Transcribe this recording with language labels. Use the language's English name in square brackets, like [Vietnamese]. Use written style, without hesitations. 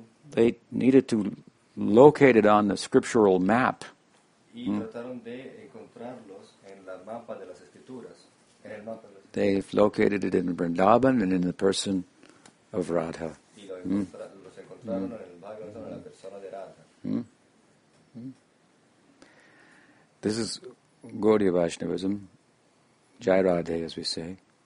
[English] They needed to locate it on the scriptural map. They have located it in Vrindavan and in the person of Radha. [Spanish] Y lo encontraron en el Bhagavatam, en la persona de Radha. [English] This is Gaudiya Vaishnavism, Jairadhe, as we say.